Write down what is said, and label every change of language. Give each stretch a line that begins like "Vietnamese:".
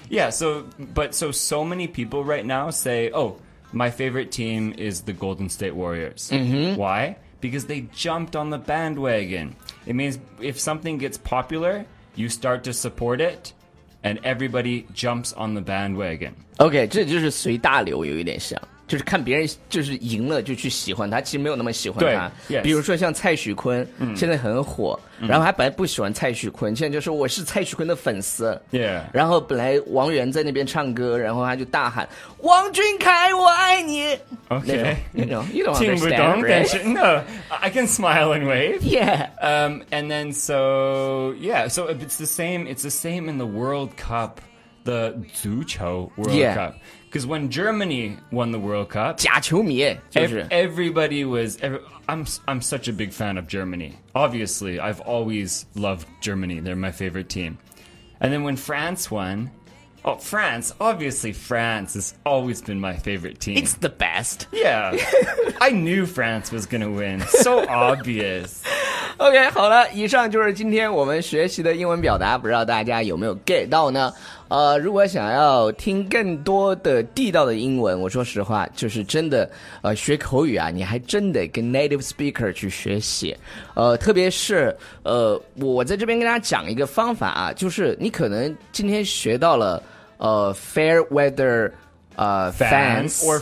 English: So many people right now say, oh, my favorite team is the Golden State Warriors. Mm-hmm. Why? Because they jumped on the bandwagon. It means if something gets popular, you start to support it. And everybody jumps on the bandwagon.
Chinese: Okay, 这就是随大流有一点像。就是看别人就是赢了就去喜欢他，其实没有那么喜欢他。对，比如说像蔡徐坤，嗯，现在很火，嗯，然后他本来不喜欢蔡徐坤，现在就是我是蔡徐坤的粉丝。
English: Yeah.
Chinese: 然后本来王源在那边唱歌，然后他就大喊“王俊凯，我爱你”。
English: Okay, you don't understand.
Chinese: 听不懂，
English: right?
Chinese: 但是
English: no, I can smile and wave. Yeah. And then so yeah, so it's the same. It's the same in the World Cup, the
Chinese: 足球
English: World yeah. Cup. Because when Germany won the World Cup,
Chinese: 假球迷、就是、
English: everybody was. I'm such a big fan of Germany. Obviously, I've always loved Germany. They're my favorite team. And then when France won, oh, France, obviously France has always been my favorite team. It's the best. Yeah. I knew France was going to win. So obvious.
Chinese: OK, 好了，以上就是今天我们学习的英文表达，不知道大家有没有 get 到呢？如果想要听更多的地道的英文，我说实话，就是真的，学口语啊，你还真得跟 native speaker 去学习，特别是，我在这边跟大家讲一个方法啊，就是你可能今天学到了，fair weather, fans